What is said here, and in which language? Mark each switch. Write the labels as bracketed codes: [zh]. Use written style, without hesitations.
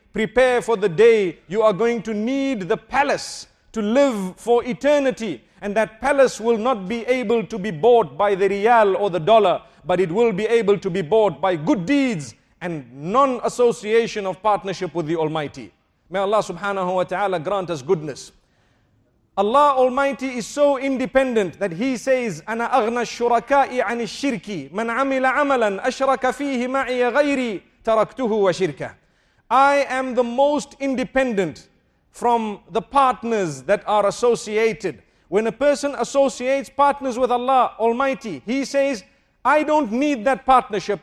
[en] Prepare for the day you are going to need the palace to live for eternity. And that palace will not be able to be bought by the riyal or the dollar, but it will be able to be bought by good deeds and non-association of partnership with the Almighty. May Allah subhanahu wa ta'ala grant us goodness. [ar] Allah Almighty is so independent that He says, أَنَا أَغْنَى الشُّرَكَاءِ عَنِ الشِّرْكِ مَنْ عَمِلَ عَمَلًا أَشْرَكَ فِيهِ مَعِيَ غَيْرِي تَرَكْتُهُ وَشِرْكَهُ. [en] I am the most independent from the partners that are associated. When a person associates partners with Allah Almighty, he says, I don't need that partnership.